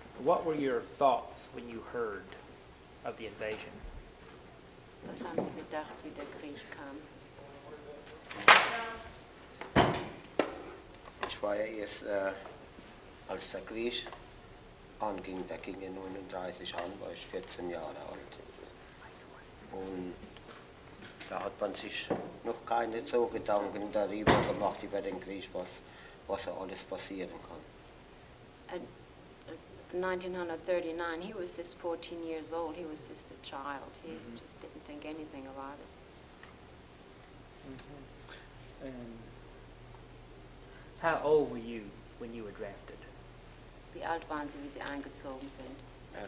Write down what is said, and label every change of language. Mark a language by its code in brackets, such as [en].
[en] What were your thoughts when you heard of the invasion? [de] Was haben Sie gedacht, wie der Krieg kam? Ich war ja erst, als der Krieg anging, da ging er 39 an, war ich 14 Jahre alt. Und da hat man sich noch keine so Gedanken darüber gemacht, über den Krieg, was alles passieren kann. [en] In 1939, he was just 14 years old, he was just a child. He just didn't think anything about it. How old were you when you were drafted? [de] Wie alt waren Sie, wie Sie eingezogen sind?